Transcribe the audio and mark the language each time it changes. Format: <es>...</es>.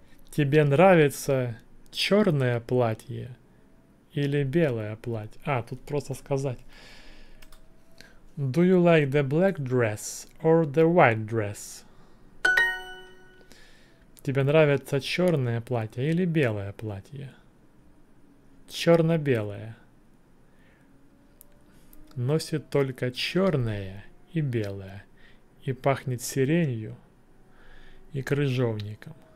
<ru>Тебе нравится черное платье или белое платье? А, тут просто сказать.</ru> <en>Do you like the black dress or the white dress?</en> <ru>Тебе нравится черное платье или белое платье? Черно-белое. Носит только черное и белое. И пахнет сиренью и крыжовником.</ru>